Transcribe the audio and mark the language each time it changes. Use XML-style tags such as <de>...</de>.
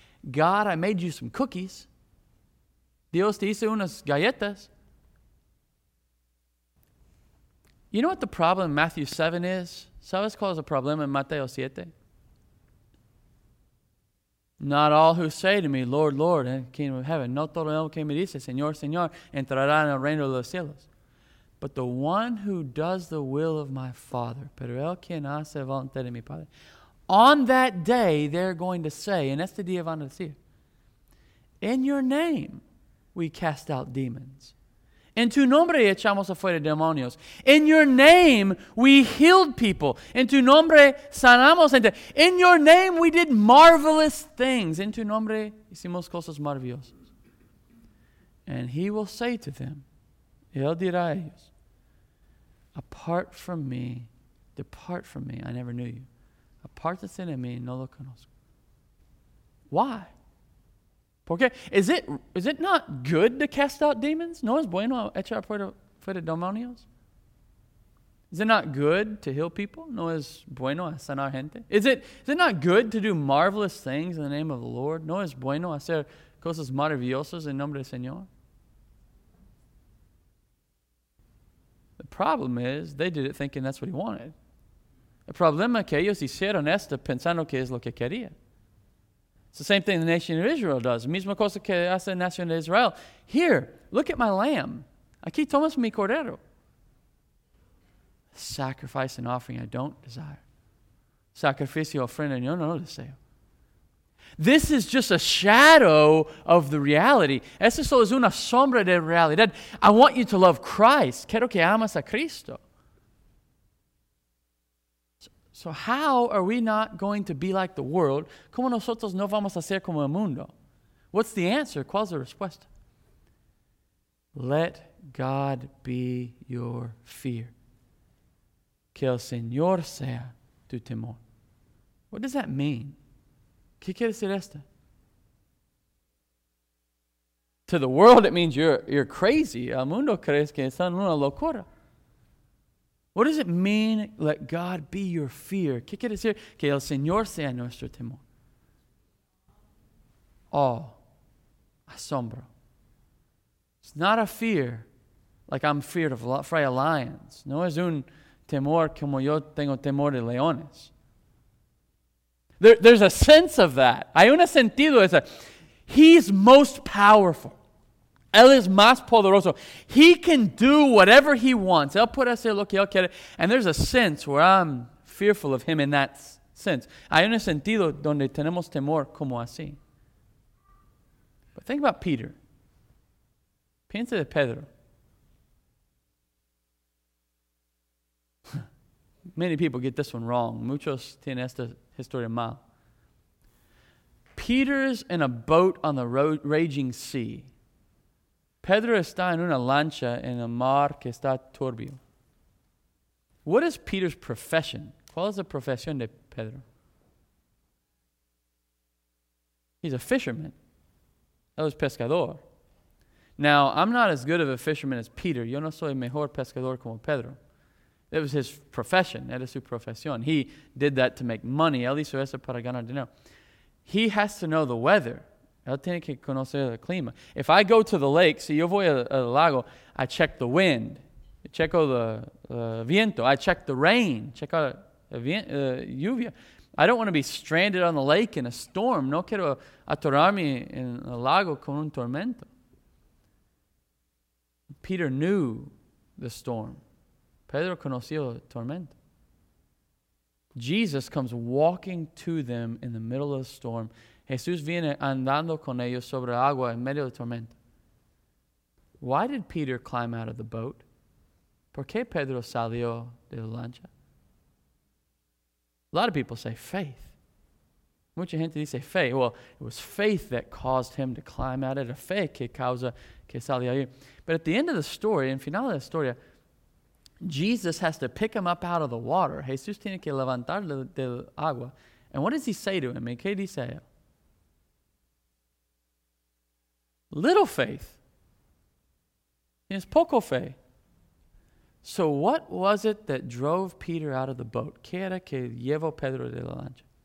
<en>God, I made you some cookies.</en> <es>Dios te hizo unas galletas.</es> <en>You know what the problem in Matthew 7 is?</en> <es>¿Sabes cuál es el problema en Mateo 7?</es> <en>Not all who say to me, Lord, Lord, in the kingdom of heaven.</en> <es>No todo el que me dice, Señor, Señor, entrará en el reino de los cielos.</es> <en>But the one who does the will of my Father,</en> <es>pero el quien hace la voluntad de mi Padre.</es> <en>On that day, they're going to say,</en> <es>en este día van a decir,</es> <en>in your name we cast out demons.</en> <es>En tu nombre echamos afuera demonios.</es> <en>In your name we healed people.</en> <es>En tu nombre sanamos gente.</es> <en>In your name we did marvelous things.</en> <es>En tu nombre hicimos cosas maravillosas.</es> <en>And he will say to them,</en> <es>él dirá a ellos,</es> <en>apart from me, depart from me, I never knew you.</en> <es>Apartate de mí, no lo conozco.</es> <en>Why?</en> <es>¿Por qué?</es> <en>Is it not good to cast out demons?</en> <es>¿No es bueno echar fuera demonios?</es> <en>Is it not good to heal people?</en> <es>¿No es bueno sanar gente?</es> <en>Is it not good to do marvelous things in the name of the Lord?</en> <es>¿No es bueno hacer cosas maravillosas en nombre del Señor?</es> <en>The problem is, they did it thinking that's what he wanted.</en> <es>El problema es que ellos hicieron esto pensando que es lo que quería.</es> <en>It's the same thing the nation of Israel does.</en> <es>Misma cosa que hace la nación de Israel.</es> <en>Here, look at my lamb.</en> <es>Aquí tomas mi cordero.</es> <en>Sacrifice and offering I don't desire.</en> <es>Sacrificio, ofrenda, yo no deseo.</es> <en>This is just a shadow of the reality.</en> <es>Esto solo es una sombra de realidad.</es> <en>I want you to love Christ.</en> <es>Quiero que amas a Cristo.</es> <en>So how are we not going to be like the world?</en> <es>¿Cómo nosotros no vamos a ser como el mundo?</es> <en>What's the answer?</en> <es>¿Cuál es la respuesta?</es> <en>Let God be your fear.</en> <es>Que el Señor sea tu temor.</es> <en>What does that mean?</en> <es>¿Qué quiere decir esto?</es> <en>To the world, it means you're crazy.</en> <es>El mundo crees que están una locura.</es> <en>What does it mean, let God be your fear?</en> <es>¿Qué quiere decir? Que el Señor sea nuestro temor.</es> <en>Oh, asombro. It's not a fear, like I'm feared of fray of lions.</en> <es>No es un temor como yo tengo temor de leones.</es> <en>There's a sense of that.</en> <es>Hay un sentido de eso.</es> <en>He's most powerful.</en> <es>Él es más poderoso.</es> <en>He can do whatever he wants.</en> <es>Él puede hacer lo que él quiere.</es> <en>And there's a sense where I'm fearful of him in that sense.</en> <es>Hay un sentido donde tenemos temor como así.</es> <en>But think about Peter.</en> <es>Piensa de Pedro.</es> <en>Many people get this one wrong.</en> <es>Muchos tienen esta historia mal.</es> <en>Peter's in a boat on the raging sea.</en> <es>Pedro está en una lancha en el mar que está turbio.</es> <en>What is Peter's profession?</en> <es>¿Cuál es la profesión de Pedro?</es> <en>He's a fisherman.</en> <es>Él es pescador.</es> <en>Now, I'm not as good of a fisherman as Peter.</en> <es>Yo no soy mejor pescador como Pedro.</es> <en>It was his profession.</en> <es>Era su profesión.</es> <en>He did that to make money.</en> <es>Él hizo eso para ganar dinero.</es> <en>He has to know the weather.</en> <es>Él tiene que conocer el clima.</es> <en>If I go to the lake,</en> <es>si yo voy al lago,</es> <en>I check the wind.</en> <es>Checo el viento.</es> <en>I check the rain.</en> <es>Checo la lluvia.</es> <en>I don't want to be stranded on the lake in a storm.</en> <es>No quiero atorarme en el lago con un tormento.</es> <en>Peter knew the storm.</en> <es>Pedro conoció el tormento.</es> <en>Jesus comes walking to them in the middle of the storm.</en> <es>Jesús viene andando con ellos sobre el agua en medio de tormenta.</es> <en>Why did Peter climb out of the boat?</en> <es>¿Por qué Pedro salió de la lancha?</es> <en>A lot of people say faith.</en> <es>Mucha gente dice fe.</es> <en>Well, it was faith that caused him to climb out.</en> <es>Era fe que causa que salió ahí.</es> <en>But at the end of the story,</en> <es>en final de la historia,</es> <en>Jesus has to pick him up out of the water.</en> <es>Jesús tiene que levantarle del agua.</es> <en>And what does he say to him?</en> <es>¿Qué dice él?</es> <en>Little faith.</en> <es>Tienes poco fe.</es> <en>So what was it that drove Peter out of the boat?</en> <es>¿Qué era que llevó Pedro de la lancha?</es>